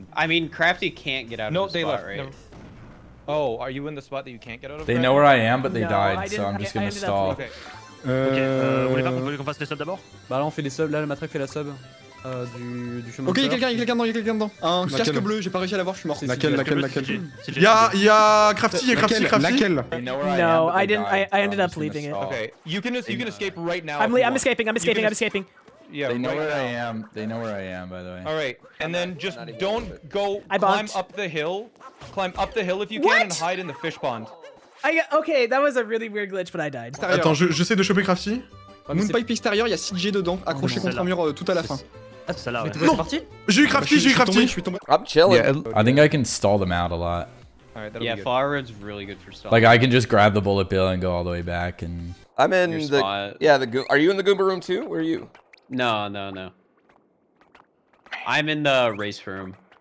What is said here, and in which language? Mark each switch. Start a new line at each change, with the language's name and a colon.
English: I mean, Crafty can't get out of the spot, right? No. Oh, are you in the spot that you can't get out of? They know where I am, but they died, so I'm just gonna stall.
French: Okay, vous voulez qu'on fasse les subs d'abord? Bah là, on fait les subs, là, le matraque fait la sub. Du chemin. Ok, il y a quelqu'un dedans. Un casque bleu, j'ai pas réussi à l'avoir, je suis mort. Laquelle? Y'a Crafty. Laquelle?
English: No, I didn't. I ended up leaving it. Okay, you can escape right now. I'm escaping. Yeah, they know where I am. They know where I am, by the way. Alright, and then just don't go climb up the hill. Climb up the hill if you can and hide in the fish pond. Okay, that was a really weird glitch, but I died.
French: Attends, j'essaie de choper Crafty. Moonpipe extérieur, y'a CJ dedans, accroché contre un mur tout à la fin. Ah, c'est celle-là, ouais. Non, j'ai eu Crafty.
English: I'm chilling. I think I can stall them out a lot. Alright, yeah, far road's really good for stalling. Like, I can just grab the bullet bill and go all the way back and... I'm in the... Yeah, the Goomba... Are you in the Goomba room too? Where are you? No. I'm in the race room.